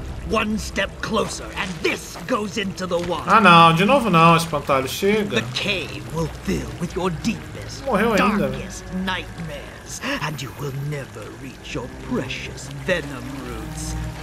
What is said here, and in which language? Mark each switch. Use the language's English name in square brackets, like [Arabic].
[English] One step closer and this goes into the water. [Portuguese] Ah, não, de novo não, espantalho, chega. [English] The cave will fill with your deepest, [Portuguese] morreu ainda, [English] darkest nightmares and you will never reach your precious venom roots.